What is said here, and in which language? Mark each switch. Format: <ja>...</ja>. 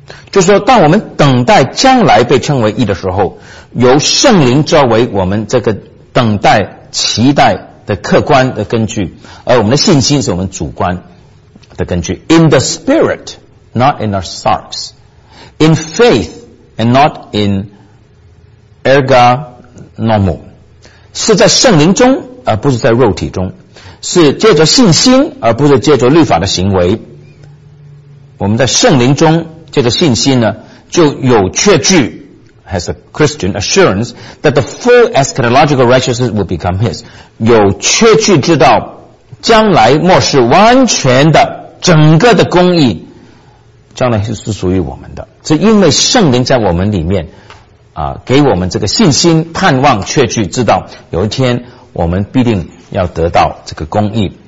<zh>就是说当我们等待将来被称为义的时候，由圣灵作为我们这个等待期待的客观的根据，而我们的信心是我们主观的根据。</zh> <en>In the spirit, not in our sarks. In faith, and not in erga nomo.</en> <zh>是在圣灵中而不是在肉体中，是借着信心而不是借着律法的行为。我们在圣灵中借着信心呢，就有确据</zh> <en>has a Christian assurance that the full eschatological righteousness will become his.</en> <zh>有确据知道将来末世完全的整个的公义将来是属于我们的。是因为圣灵在我们里面给我们这个信心盼望确据知道有一天我们必定要得到这个公义。</zh>